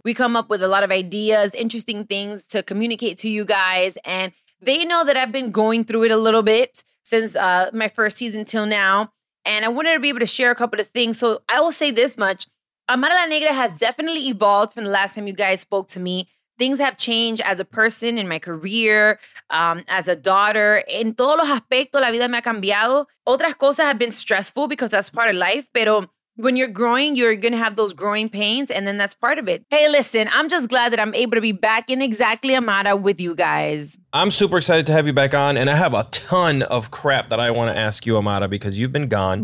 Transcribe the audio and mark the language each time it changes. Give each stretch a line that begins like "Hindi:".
English: We come up with a lot of ideas, interesting things to communicate to you guys. And they know that I've been going through it a little bit since my first season till now. And I wanted to be able to share a couple of things. So I will say this much. Amara La Negra has definitely evolved from the last time you guys spoke to me. Things have changed as a person, in my career, as a daughter.
Spanish: En todos los aspectos, la vida me ha cambiado. Otras cosas
English: have been stressful because that's part of life.
Spanish: Pero
English: when you're growing, you're going to have those growing pains. And then that's part of it. Hey, listen, I'm just glad that I'm able to be back in Exactly Amara with you guys. I'm super excited to have you back on. And I have a ton of crap that I want to ask you, Amara, because you've been gone.